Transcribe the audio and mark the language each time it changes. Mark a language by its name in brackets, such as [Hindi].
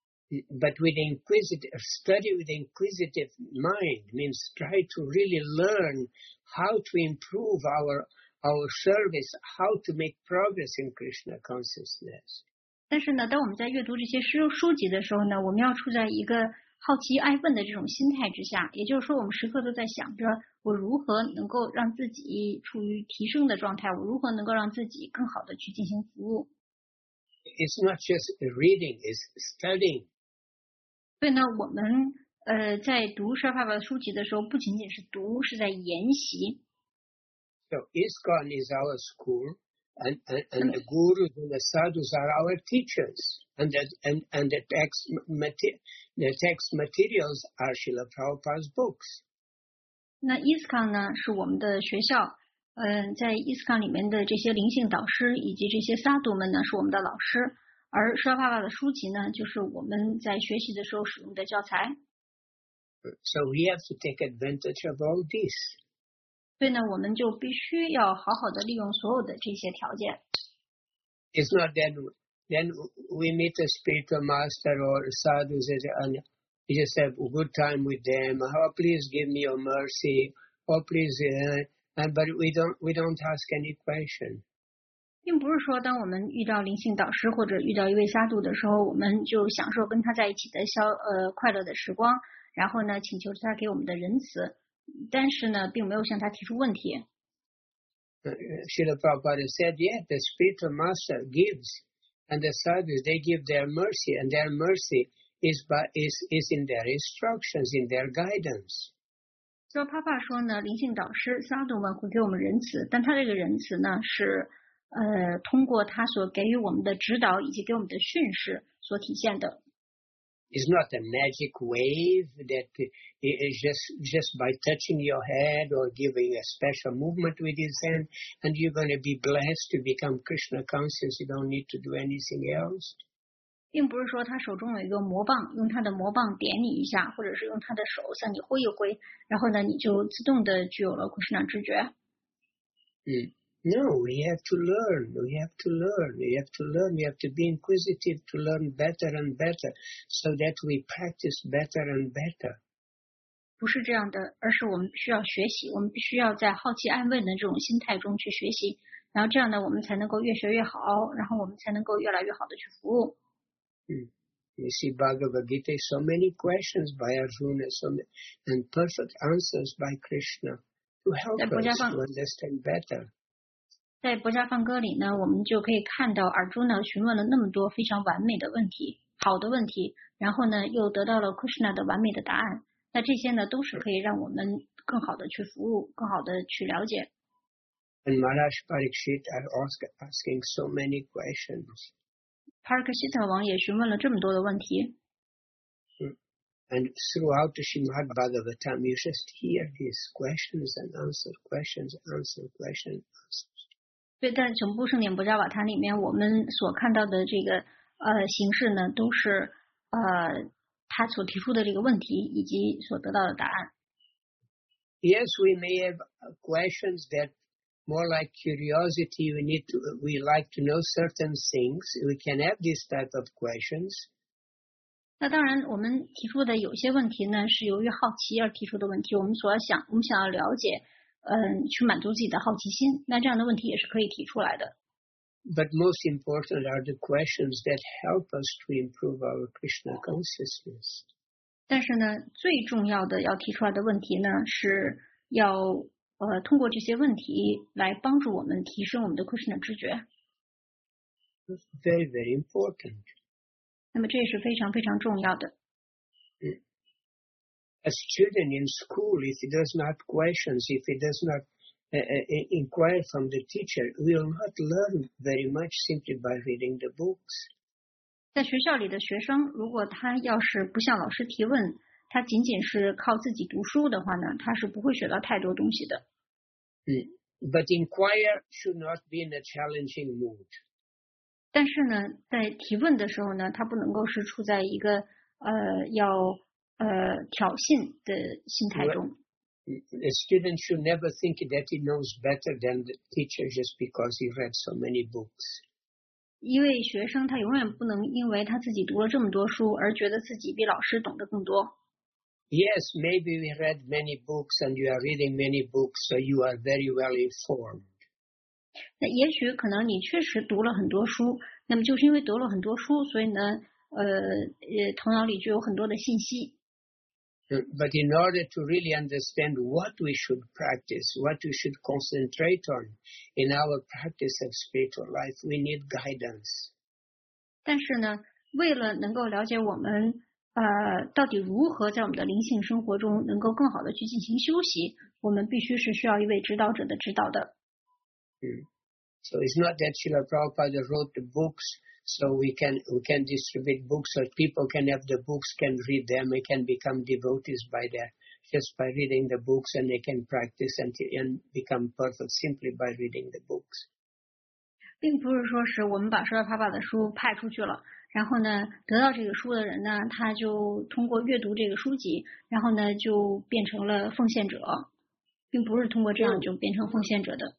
[English] But with inquisitive study, with inquisitive mind means try to really learn how to improve our service, how to make progress in Krishna consciousness. [Chinese] 但是呢，当我们在阅读这些书籍的时候呢，我们要处在一个好奇爱问的这种心态之下，也就是说，我们时刻都在想着我如何能够让自己处于提升的状态，我如何能够让自己更好的去进行服务。 [English] It's not just reading; it's studying. [Chinese] 所以呢，我们在读《十二法宝》书籍的时候，不仅仅是读，是在研习。 [English] So ISKCON is our school, and the gurus and the sadhus are our teachers, and the text materials are Srila Prabhupada's books. [Chinese] 那 ISKCON 呢，是我们的学校。在 ISKCON 里面的这些灵性导师以及这些萨度们呢，是我们的老师，而舍巴巴的书籍呢，就是我们在学习的时候使用的教材。 [English] So we have to take advantage of all this. [Chinese] 对呢，我们就必须要好好的利用所有的这些条件。 [English] It's not that then we meet a spiritual master or a sadhu, says, and we just have a good time with them. Oh, please give me your mercy. Oh, please. But we don't ask any question. [Chinese] 并不是说当我们遇到灵性导师或者遇到一位沙度的时候，我们就享受跟他在一起的快乐的时光，然后呢请求他给我们的仁慈，但是呢并没有向他提出问题。 [English] Srila Prabhupada said, yeah, the spiritual master gives, and the sadhus, they give their mercy, and their mercy is in their instructions, in their guidance. [Chinese] So Papa 说呢，灵性导师沙度们会给我们仁慈，但他这个仁慈呢是通过他所给予我们的指导以及给我们的训示所体现的。 [English] It's not a magic wave that is just by touching your head or giving a special movement with his hand, and you're going to be blessed to become Krishna conscious. You don't need to do anything else. [Chinese] 并不是说他手中有一个魔棒，用他的魔棒点你一下，或者是用他的手向你挥一挥，然后呢，你就自动的具有了 Krishna 知觉。 [English] No, we have to learn, we have to learn, we have to learn, we have to be inquisitive to learn better and better, so that we practice better and better. [Chinese] 不是这样的，而是我们需要学习，我们必须要在好奇爱问的这种心态中去学习，然后这样呢，我们才能够越学越好，然后我们才能够越来越好的去服务。 [English] You see Bhagavad Gita, so many questions by Arjuna, so many, and perfect answers by Krishna to help us to understand better. [Chinese] 在《薄伽梵歌》里呢，我们就可以看到尔朱呢询问了那么多非常完美的问题，好的问题，然后呢又得到了 Krishna 的完美的答案。那这些呢都是可以让我们更好的去服务，更好的去了解。 [English] And Maharaj Parikshit are asking so many questions. [Chinese] Parikshit 王也询问了这么多的问题。 [English] And throughout the Srimad Bhagavatam, you just hear his questions and answer questions, answer questions, answer. [Chinese] 对，但整部圣典薄伽瓦坛里面我们所看到的这个形式呢都是他所提出的这个问题以及所得到的答案。 [English] Yes, we may have questions that more like curiosity, we like to know certain things, we can have this type of questions. [Chinese] 那当然我们提出的有些问题呢是由于好奇而提出的问题，我们想要了解去满足自己的好奇心，那这样的问题也是可以提出来的。 [English] But most important are the questions that help us to improve our Krishna consciousness. [Chinese] 但是呢，最重要的要提出来的问题呢，是要通过这些问题来帮助我们提升我们的 Krishna 知觉。 [English] Very, very important. [Chinese] 那么这也是非常非常重要的。 [English] A student in school, if he does not questions, if he does not inquire from the teacher, will not learn very much simply by reading the books. [Chinese] 在学校里的学生，如果他要是不向老师提问，他仅仅是靠自己读书的话呢，他是不会学到太多东西的。 [English] But inquire should not be in a challenging mood. [Chinese] 但是呢，在提问的时候呢，他不能够是处在一个要挑衅的心态中。 [English] A student should never think that he knows better than the teacher just because he read so many books. [Chinese] 一位学生他永远不能因为他自己读了这么多书而觉得自己比老师懂得更多。 [English] Yes, maybe we read many books and you are reading many books, so you are very well informed. [Chinese] 那也许可能你确实读了很多书，那么就是因为读了很多书，所以呢，头脑里就有很多的信息。 [English] But in order to really understand what we should practice, what we should concentrate on in our practice of spiritual life, we need guidance. [Chinese] 但是呢，为了能够了解我们到底如何在我们的灵性生活中能够更好的去进行修习，我们必须是需要一位指导者的指导的。 [English] So it's not that Srila Prabhupada wrote the books. So we can distribute books, so people can have the books, can read them, they can become devotees by that, just by reading the books, and they can practice and become perfect simply by reading the books. [Chinese] 并不是说是我们把舍利帕巴的书派出去了，然后呢，得到这个书的人呢，他就通过阅读这个书籍，然后呢，就变成了奉献者，并不是通过这样就变成奉献者的。